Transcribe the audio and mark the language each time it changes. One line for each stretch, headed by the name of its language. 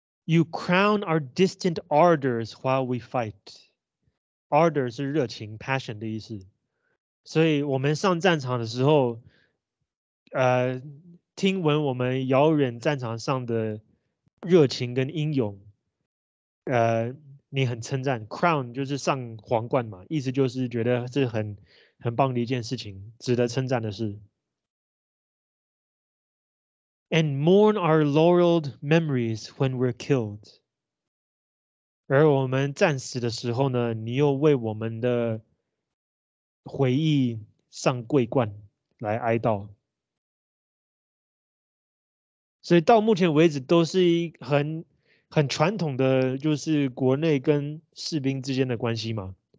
English: You crown our distant ardors while we fight.
Chinese: Ardor 是热情 passion 的意思。所以我们上战场的时候，听闻我们遥远战场上的热情跟英勇，你很称赞 ，crown 就是上皇冠嘛，意思就是觉得是很棒的一件事情，值得称赞的事。
English: And mourn our laureled memories when we're killed.
Chinese: 而我们战死的时候呢，你又为我们的回忆上桂冠来哀悼。所以到目前为止都是很传统的，就是国内跟士兵之间的关系嘛。